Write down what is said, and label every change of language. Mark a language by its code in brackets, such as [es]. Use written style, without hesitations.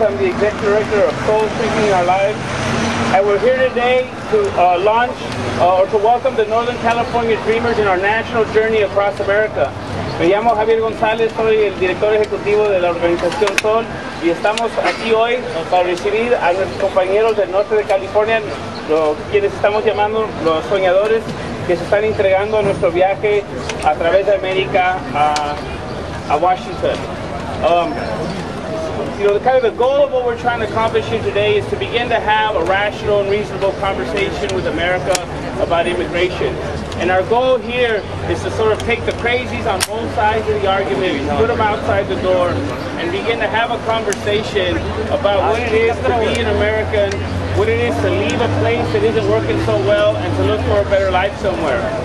[en] I'm the executive director of Soul Singing Alive, and we're here today to launch or to welcome the Northern California Dreamers in our national journey across America. [es] Me llamo Javier Gonzales, soy el director ejecutivo de la organización Sol y estamos aquí hoy para recibir a nuestros compañeros del norte de California, quienes estamos llamando los soñadores, que se están entregando a nuestro viaje a través de América a Washington. [en] Kind of the goal of what we're trying to accomplish here today is to begin to have a rational and reasonable conversation with America about immigration. And our goal here is to sort of take the crazies on both sides of the argument, put them outside the door, and begin to have a conversation about what it is to be an American, what it is to leave a place that isn't working so well, and to look for a better life somewhere.